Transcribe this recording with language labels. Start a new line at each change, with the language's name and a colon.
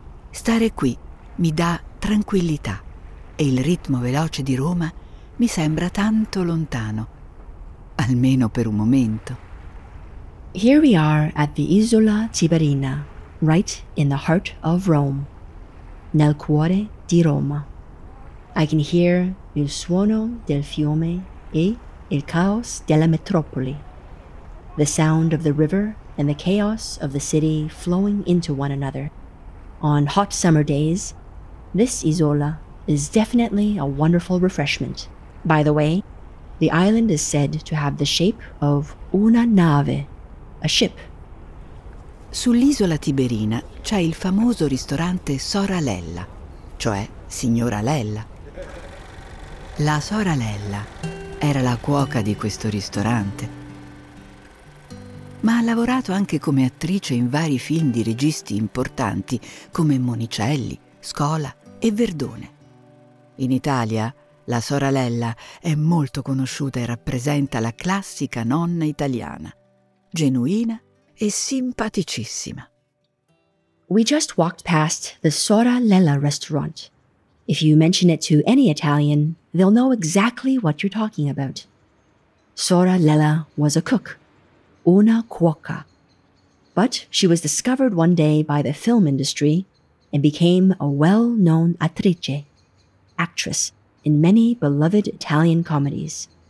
Italian: Stare qui mi dà tranquillità e il ritmo veloce di Roma mi sembra tanto lontano, almeno per un momento.
English: Here we are at the Isola Tiberina, right in the heart of Rome,
Italian: nel cuore di Roma.
English: I can hear
Italian: il suono del fiume e il caos della metropoli.
English: The sound of the river and the chaos of the city flowing into one another. On hot summer days, this Isola is definitely a wonderful refreshment. By the way, the island is said to have the shape of
Italian: una nave,
English: a ship.
Italian: Sull'isola Tiberina c'è il famoso ristorante Sora Lella, cioè Signora Lella. La Sora Lella era la cuoca di questo ristorante, ma ha lavorato anche come attrice in vari film di registi importanti come Monicelli, Scola e Verdone. In Italia, la Sora Lella è molto conosciuta e rappresenta la classica nonna italiana, genuina e simpaticissima.
English: We just walked past the Sora Lella restaurant. If you mention it to any Italian, they'll know exactly what you're talking about. Sora Lella was a cook.
Italian: Una cuoca.
English: But she was discovered one day by the film industry and became a well-known attrice, actress, in many beloved Italian comedies.